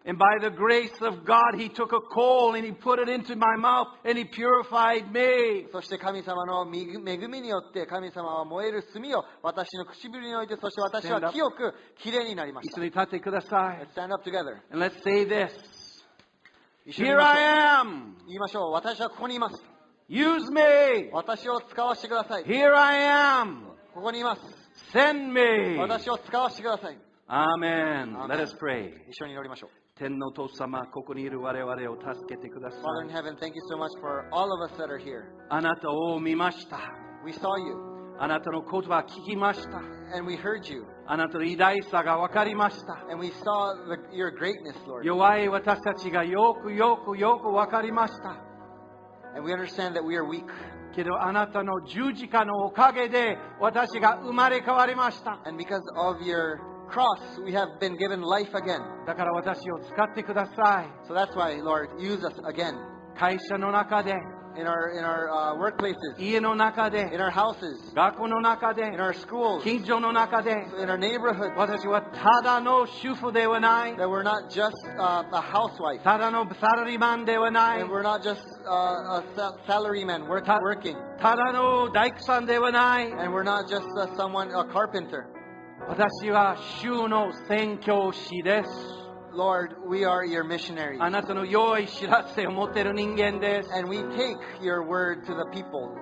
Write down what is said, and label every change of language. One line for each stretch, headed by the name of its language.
English: And by the grace of GodHe took a coal and he put it into my mouth and he purified me.
Japanese: そして神様の恵みによって神様は燃える炭を私の唇に置いて、そして私は清くきれいになりました。一緒に立ってください。
English: Let's stand up together. And let's say this. Here I am.
Japanese: 言いましょう。私はここにいます。
English: Use me.
Japanese: 私を使わせてください。
English: Here I am.
Japanese: ここにいます。
English: Send me.
Japanese: 私を使わせてください。
English: Amen. Let us pray.
Japanese: 一緒に祈りましょう。天の父様、ここにいる我々を助けてください。
English: Father in heaven, thank you so much for all of us that are here.
Japanese: あなたを見ました。
English: We saw you.
Japanese: あなたの言葉を聞きました。
English: And we heard you.
Japanese: あなたの偉大さが分かりました。
English: And we saw your greatness, Lord.
Japanese: 弱い私たちがよくよくよく分かりました。
English: And we understand that we are weak.
Japanese: けどあなたの十字架のおかげで私が生まれ変わりました。
English: And because of your cross, we have been given life again.
Japanese: だから私を使ってください。
English: So that's why, Lord, use us again.
Japanese: 会社の中で、
English: in our workplaces,
Japanese: 家の中で、
English: in our houses,
Japanese: 学校の中で、
English: in our schools,
Japanese: 近所の中で、
English: in our neighborhood.
Japanese: 私はただの主婦ではない。
English: That we're not just a housewife.
Japanese: ただのサラリーマンではない。
English: And we're not just a salaryman working.
Japanese: ただの大工さんではない。
English: And we're not just a carpenter.
Japanese: 私は主の宣教師です。
English: Lord, we are your missionaries.
Japanese: あなたの良い知らせを持っている人間です。
English: And we take your word to the people.